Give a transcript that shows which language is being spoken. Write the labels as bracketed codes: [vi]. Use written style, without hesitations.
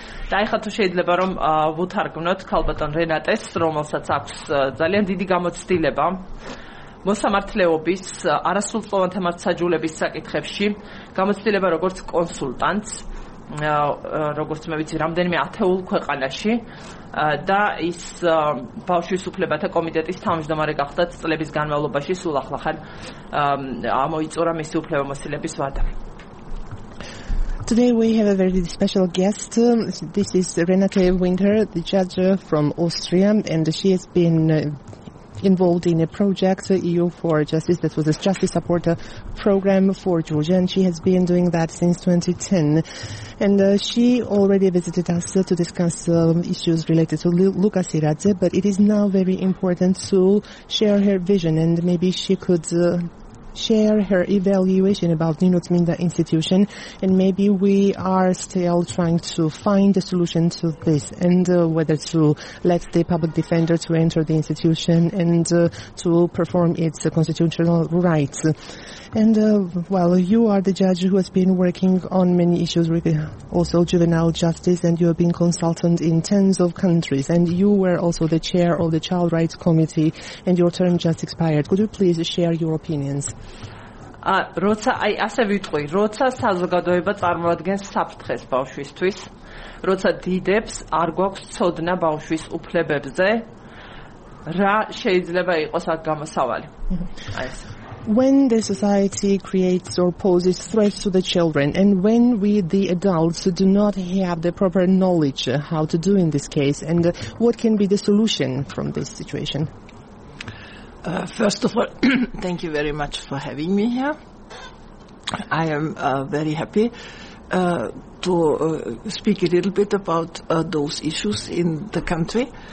[ka] და ეხლა თუ შეიძლება რომ ვუთარგმნოთ ქალბატონ რენატეს, რომელსაც აქვს ძალიან დიდი გამოცდილება მოსამართლეობის არასრულწლოვანთა მართსაჯულების საკითხებში, გამოცდილება როგორც კონსულტანტს, როგორც მე ვიცი რამდენიმე ათეულ ქვეყანაში, და ის ბავშვის უფლებათა კომიტეტის თავმჯდომარე გახდა წლების განმავლობაში, სულ ახლახან ამოიწურა მისი უფლებამოსილების ვადა. [en] Today we have a very special guest. This is Renate Winter, the judge from Austria, and she has been involved in a project, EU for Justice, that was a justice supporter program for Georgia, and she has been doing that since 2010. And she already visited us to discuss issues related to Lukas Iradze, but it is now very important to share her vision, and maybe she could share her evaluation about Nino Tminda institution, and maybe we are still trying to find a solution to this, and whether to let the public defender to enter the institution and to perform its constitutional rights. And well, you are the judge who has been working on many issues with also juvenile justice, and you have been consultant in tens of countries, and you were also the chair of the Child Rights Committee, and your term just expired. Could you please share your opinions? [ka] Როცა აი ასე ვიტყვი, როცა საზოგადოება წარმოადგენს საფრთხეს ბავშვისთვის, როცა დიდებს არ გვაქვს ცოდნა ბავშვის უფლებებზე, რა შეიძლება იყოს აქ გამოსავალი? აი ეს [en] When the society creates or poses threats to the children, and when we, the adults, do not have the proper knowledge how to do in this case, and what can be the solution from this situation? First of all, thank you very much for having me here. I am very happy to speak a little bit about those issues in the country.